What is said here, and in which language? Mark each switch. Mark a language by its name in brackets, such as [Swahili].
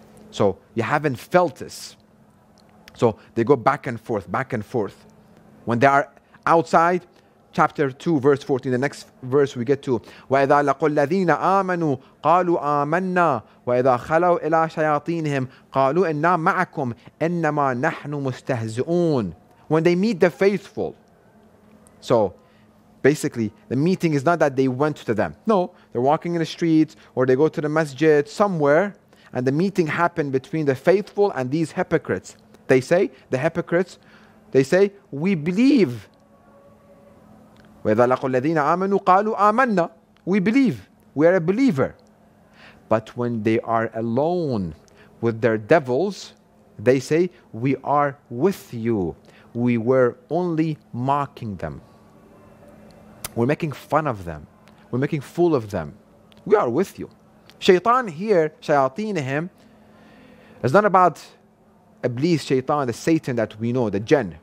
[English] So you haven't felt this. So they go back and forth, back and forth. When they are outside, Chapter 2, verse 14, the next verse we get to. [Arabic] وَإِذَا لَقُوا الَّذِينَ آمَنُوا قَالُوا آمَنَّا وَإِذَا خَلَوْا إِلَىٰ شَيَاطِينِهِمْ قَالُوا إِنَّا مَعَكُمْ إِنَّمَا نَحْنُ مُسْتَهْزِئُونَ [English] When they meet the faithful. So, basically, the meeting is not that they went to them. No, they're walking in the streets or they go to the masjid somewhere and the meeting happened between the faithful and these hypocrites. They say, the hypocrites, they say, we believe. [Arabic] وَإِذَا لَقُوا الَّذِينَ آمَنُوا قَالُوا آمَنَّا [English] We believe. We are a believer. But when they are alone with their devils, they say, we are with you. We were only mocking them. We're making fun of them. We're making fool of them. We are with you. Shaytan here, shayateenihim, is not about Iblis, Shaytan, the Satan that we know, the jinn.